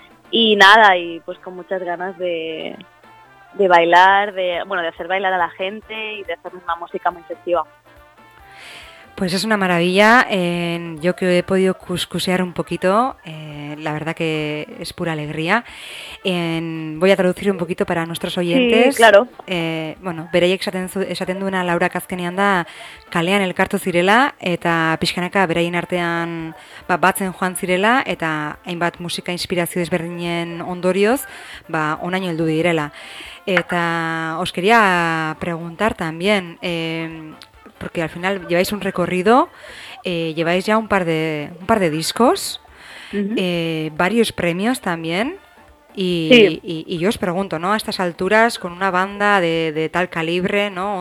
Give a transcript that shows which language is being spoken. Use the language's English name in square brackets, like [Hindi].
[Spanish] Y nada, y pues con muchas ganas de bailar, de hacer bailar a la gente y de hacer una música muy festiva. Pues es una maravilla, yo que he podido cuscusear un poquito, la verdad que es pura alegría. Voy a traducir un poquito para nuestros oyentes. Sí, claro. [Basque] Beraiek esaten duena Laurak azkenean da, kalean elkartu zirela, eta pixkanaka beraien artean batzen joan zirela, eta hainbat musika inspirazio desberdinen ondorioz, onaino heldu direla. Eta [Spanish] os quería preguntar también... porque al final lleváis un recorrido, lleváis ya un par de discos, uh-huh. Varios premios también, y yo os pregunto, ¿no? A estas alturas, con una banda de tal calibre, ¿no?